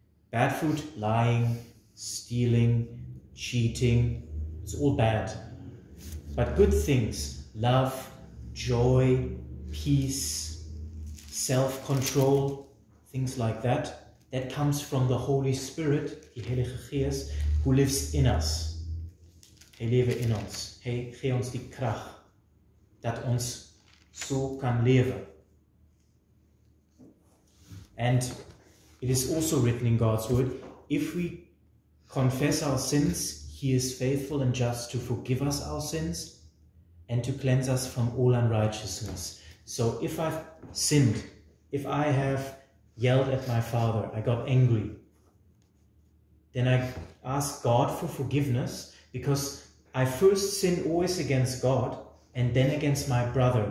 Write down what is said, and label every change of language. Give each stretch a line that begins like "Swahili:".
English: Bad fruit, lying, stealing, cheating, it's all bad. But good things, love, joy, peace, self-control, things like that, that comes from the Holy Spirit,
Afrikaans: die Heilige Geest,
English: who lives in us.
Afrikaans: Hij leeft in ons. Hij geeft ons die kracht dat ons zo kan leven.
English: And it is also written in God's word, if we confess our sins, he is faithful and just to forgive us our sins and to cleanse us from all unrighteousness. So if I've sinned, if I have yelled at my father, I got angry, then I ask God for forgiveness, because I first sin always against God and then against my brother.